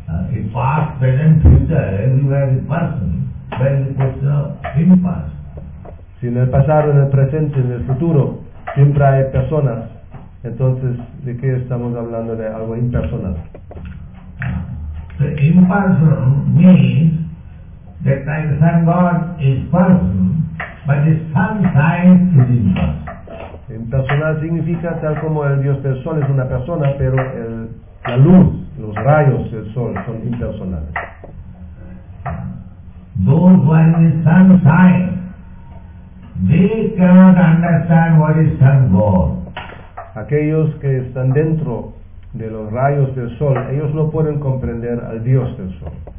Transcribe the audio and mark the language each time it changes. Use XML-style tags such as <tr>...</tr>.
<es>Si en el pasado, en el presente, en el futuro siempre hay personas, entonces ¿de qué estamos hablando? De algo impersonal.</es> <en>The impersonal means that like the Sun God is person, but the sun side is impersonal.</en> <es>Impersonal significa tal como el Dios del Sol es una persona, pero el, la luz, los rayos del Sol son impersonales.</es> <en>Those who are in the sun side, they cannot understand what is Sun God.</en> <es>Aquellos que están dentro de los rayos del Sol, ellos no pueden comprender al Dios del Sol.</es>